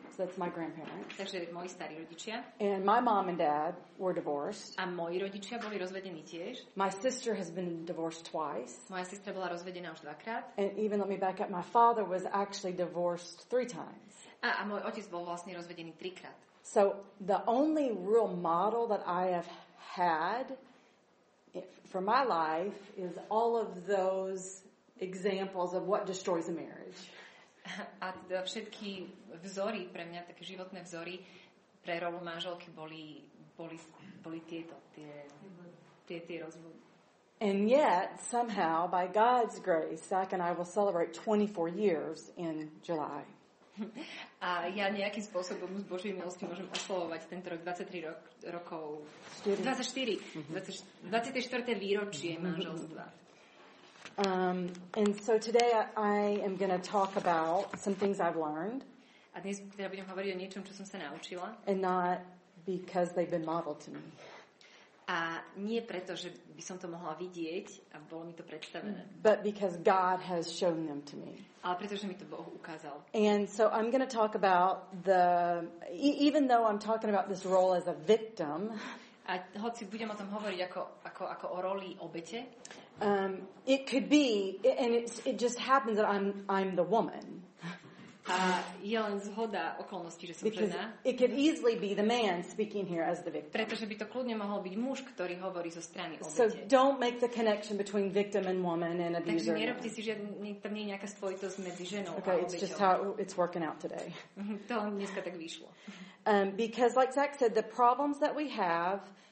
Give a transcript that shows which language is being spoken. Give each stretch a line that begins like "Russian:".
English: So that's my grandparents.
Slovak: Takže moji starí rodičia.
English: And my mom and dad were divorced.
Slovak: A moji rodičia boli rozvedení tiež.
English: My sister has been divorced twice.
Slovak: Moja sestra bola rozvedená už dvakrát.
English: And even let me back up, my father was actually divorced three times.
Slovak: A môj otec bol vlastne rozvedený trikrát.
English: So the only real model that I have had for my life is all of those examples of what destroys a marriage.
Slovak: A teda všetky vzory pre mňa, také životné vzory pre rolu manželky boli tieto, tie rozvody.
English: And yet, somehow, by God's grace, Zach and I will celebrate 24 years in July.
Slovak: A ja nejakým spôsobom z Božej milosti môžem oslovovať tento rok 23 rokov. 24. 24. výročie manželstva.
English: And so today I am going to talk about some things I've learned.
Slovak: A dnes teda budem hovoriť o niečom, čo som sa naučila.
English: And not because they've been modeled to me.
Slovak: A nie preto, že by som to mohla vidieť a bolo mi to predstavené.
English: But because God has shown them to me.
Slovak: Ale pretože mi to Boh ukázal.
English: And so I'm going to talk about even though I'm talking about this role as a victim.
Slovak: A hoci budem o tom hovoriť ako o roli obete.
English: It could be, and it just happens that I'm the woman.
Slovak: A je len zhoda okolností, že som
English: Because
Slovak: žena.
English: It could easily be the man speaking here as the victim.
Slovak: Pretože by to kľudne mohol byť muž, ktorý hovorí zo strany obete.
English: So don't make the connection between victim and woman and abuser.
Slovak: Takže nerobte si, že tam nie je nejaká spojitosť medzi ženou
English: okay,
Slovak: a obeťou.
English: It's just how it's working out today.
Slovak: To dneska tak vyšlo.
English: Because like Zach said, the problems that we have...